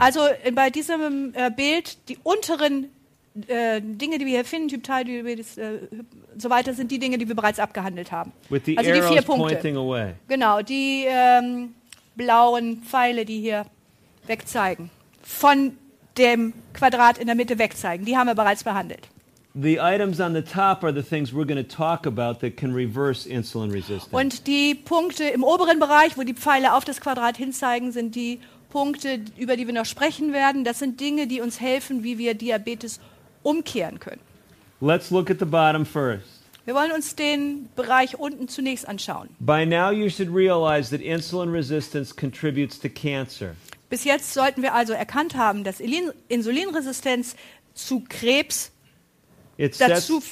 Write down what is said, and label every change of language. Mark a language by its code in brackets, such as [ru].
[de] Also bei diesem Bild, die unteren Dinge, die wir hier finden, Typ 2 Diabetes, so weiter, sind die Dinge, die wir bereits abgehandelt haben. [en] With the also arrows [de] die vier Punkte. [en] Pointing away. [de] Genau, die blauen Pfeile, die hier wegzeigen, von dem Quadrat in der Mitte wegzeigen, die haben wir bereits behandelt. [en] The items on the top are the things we're going to talk about that can reverse insulin resistance. [de] Und die Punkte im oberen Bereich, wo die Pfeile auf das Quadrat hinzeigen, sind die Punkte, über die wir noch sprechen werden. Das sind Dinge, die uns helfen, wie wir Diabetes umkehren können. [en] Let's look at the bottom first. [de] Wir wollen uns den Bereich unten zunächst anschauen. [en] By now you should realize that insulin resistance contributes to cancer. [de] Bis jetzt sollten wir also erkannt haben, dass Insulinresistenz zu Krebs fördert.